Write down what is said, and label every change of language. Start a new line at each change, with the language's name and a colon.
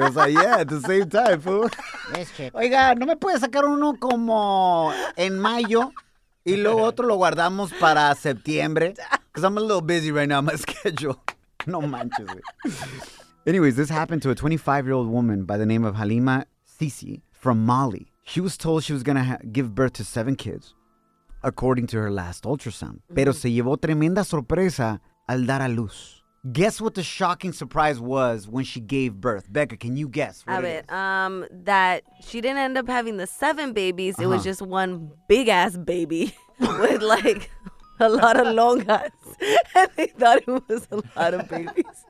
Spanish: O sea,
English: yeah, at the same time, fool.
Spanish: Oiga, ¿no me puedes sacar uno como en mayo y luego otro lo guardamos para septiembre?
English: Because I'm a little busy right now on my schedule.
Spanish: No manches, güey.
English: Anyways, this happened to a 25-year-old woman by the name of Halima Sisi from Mali. She was told she was going to give birth to 7 kids, according to her last ultrasound. Mm-hmm.
Spanish: Pero se llevó tremenda sorpresa al dar a luz.
English: Guess what the shocking surprise was when she gave birth. Becca, can you guess? That she didn't end up having the 7 babies. Uh-huh. It was just one big-ass baby with, like, a lot of long hats. And they thought it was a lot of babies.